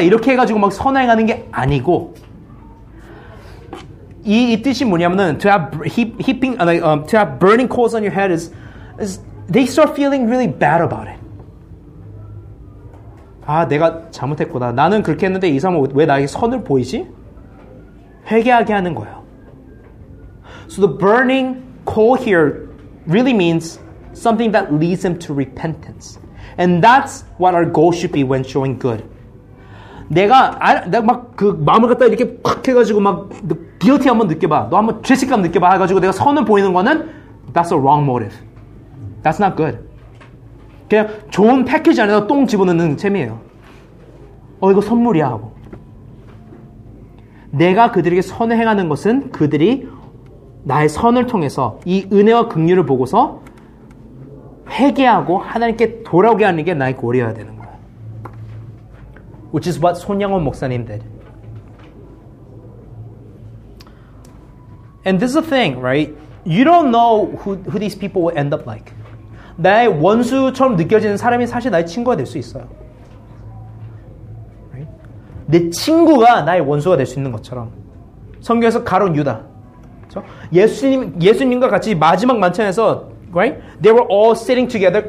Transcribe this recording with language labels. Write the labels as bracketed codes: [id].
[ko] 이렇게 해가지고 막 선행하는 게 아니고 이 뜻이 뭐냐면은 [en] to have to have burning coals on your head is they start feeling really bad about it. [ko] 아 내가 잘못했구나. 나는 그렇게 했는데 이 사람은 왜 나에게 선을 보이지? 회개하게 하는 거예요. [en] So the burning coal here really means something that leads him to repentance. And that's what our goal should be when showing good. [ko] 내가 막 그 마음을 갖다 이렇게 확 해가지고 막 guilty 한번 느껴봐. 너 한번 죄책감 느껴봐. 해가지고 내가 선을 보이는 거는 [en] that's a wrong motive. That's not good. [ko] 그냥 좋은 패키지 안에서 똥 집어넣는 셈이에요. 어 이거 선물이야 하고. 내가 그들에게 선을 행하는 것은 그들이 나의 선을 통해서 이 은혜와 긍휼을 보고서 회개하고 하나님께 돌아오게 하는 게 나의 고려해야 되는 거야. [en] Which is what 손양원 목사님 did. And this is the thing, right? You don't know who these people will end up like. [ko] 나의 원수처럼 느껴지는 사람이 사실 나의 친구가 될 수 있어요. [en] Right? [ko] 내 친구가 나의 원수가 될 수 있는 것처럼. 성경에서 가룟 유다. 그렇죠? 예수님과 같이 마지막 만찬에서 Right? [en] They were all sitting together.